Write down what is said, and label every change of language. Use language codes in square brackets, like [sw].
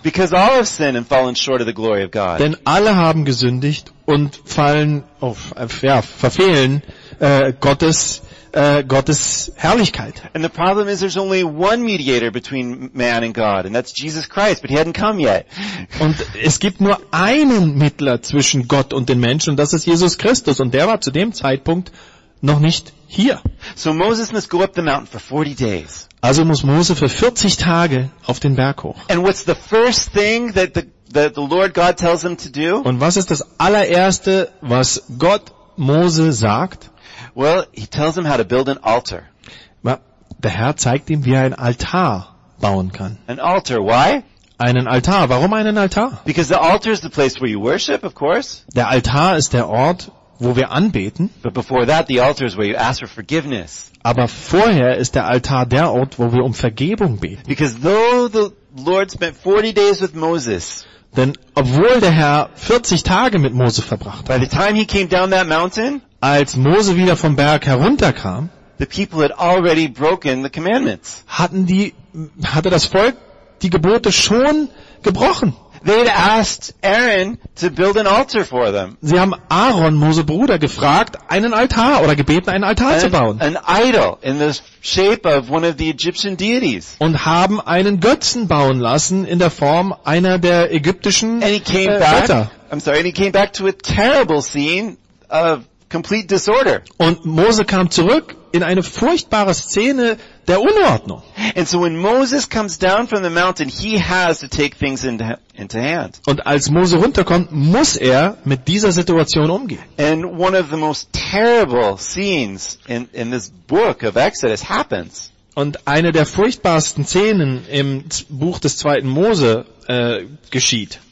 [en] Because all have sinned and fallen short of the glory of God. [de] Denn alle haben gesündigt und fallen, verfehlen Gottes Herrlichkeit. [en] And the problem is there's only one mediator between man and God, and that's Jesus Christ, but he hadn't come yet. [de] Und es gibt nur einen Mittler zwischen Gott und den Menschen, und das ist Jesus Christus, und der war zu dem Zeitpunkt noch nicht hier. [en] So Moses must go up the mountain for 40 days. [de] Also muss Mose für 40 Tage auf den Berg hoch. [en] And what's the first thing that the Lord God tells him to do? [de] Und was ist das allererste, was Gott Mose sagt? [en] Well, he tells him how to build an altar. [de] Der Herr zeigt ihm, wie er einen Altar bauen kann. [en] An altar, why? [de] Einen Altar. Warum einen Altar? [en] Because the altar is the place where you worship, of course. [de] Der Altar ist der Ort, wo wir anbeten. [en] But before that, the altar is where you ask for forgiveness. [de] Aber vorher ist der Altar der Ort, wo wir um Vergebung beten. [en] Because though the Lord spent 40 days with Moses. [de] Denn obwohl der Herr 40 Tage mit Mose verbracht hat. [en] By the time he came down that mountain. [de] Als Mose wieder vom Berg herunterkam, [en] the people had already broken the commandments. [de] Hatte das Volk die Gebote schon gebrochen. [en] They had asked Aaron to build an altar for them. [de] Sie haben Aaron, Mose Bruder, gefragt, einen Altar oder gebeten, einen Altar zu bauen. [en] An idol in the shape of one of the Egyptian deities. [de] Und haben einen Götzen bauen lassen in der Form einer der ägyptischen Götter. [en] And he came back to a terrible scene of complete disorder. [de] Und Mose kam zurück in eine furchtbare Szene der Unordnung. [en] And so when Moses comes down from the mountain, he has to take things into hand. [de] Und als Mose runterkommt, muss er mit dieser Situation umgehen. [en] And one of the most terrible scenes in this book of Exodus happens. [de] Und eine der furchtbarsten Szenen im Buch des zweiten Mose geschieht.